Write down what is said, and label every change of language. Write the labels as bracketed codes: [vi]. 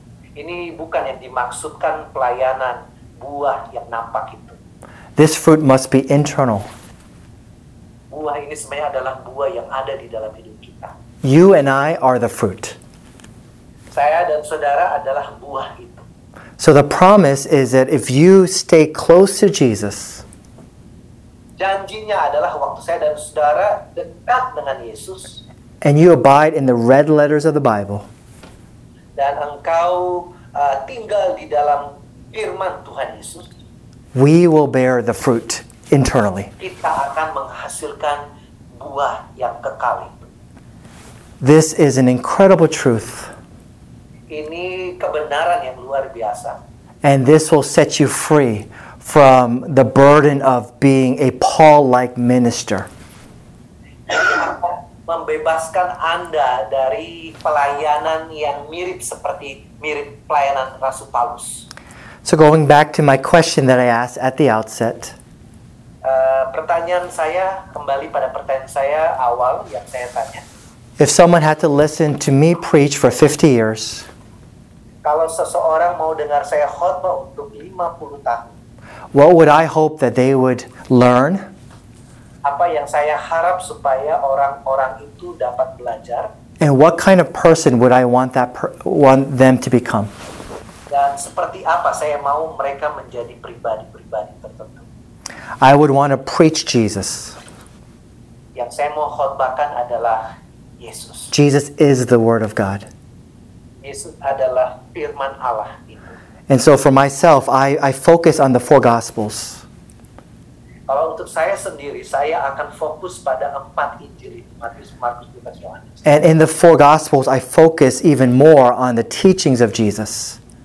[id] Ini bukan yang dimaksudkan pelayanan buah yang nampak itu. [en] This fruit must be internal. [id] Buah ini sebenarnya adalah buah yang ada di dalam hidup kita. [en] You and I are the fruit. [id] Saya dan saudara adalah buah itu. [en] So the promise is that if you stay close to Jesus, [id] janjinya adalah waktu saya dan saudara dekat dengan Yesus, [en] and you abide in the red letters of the Bible, [id] dan engkau tinggal di dalam firman Tuhan Yesus, [en] we will bear the fruit internally. [id] Kita akan menghasilkan buah yang kekal itu. [en] This is an incredible truth. [id] Ini kebenaran yang luar biasa. [en] And this will set you free from the burden of being a Paul-like minister. [id] Membebaskan Anda dari pelayanan yang mirip seperti mirip pelayanan Rasul Paulus. [en] So going back to my question that I asked at the outset. [id] Pertanyaan saya kembali pada pertanyaan saya awal yang saya tanya. [en] If someone had to listen to me preach for 50 years, [id] kalau seseorang mau dengar saya khotbah untuk 50 tahun, [en] what would I hope that they would learn? [id] Apa yang saya harap supaya orang-orang itu dapat belajar? [en] And what kind of person would I want them to become? [id] Dan seperti apa saya mau mereka menjadi pribadi-pribadi tertentu? [en] I would want to preach Jesus. [id] Yang saya mau khotbahkan adalah Yesus. [en] Jesus is the Word of God. [id] Yesus adalah firman Allah itu. [en] And so for myself, I focus on the four Gospels. [id] Kalau untuk saya sendiri, saya akan fokus pada empat Injil, Matius, Markus, Lukas, Yohanes. [en] And in the four Gospels, I focus even more on the teachings of Jesus.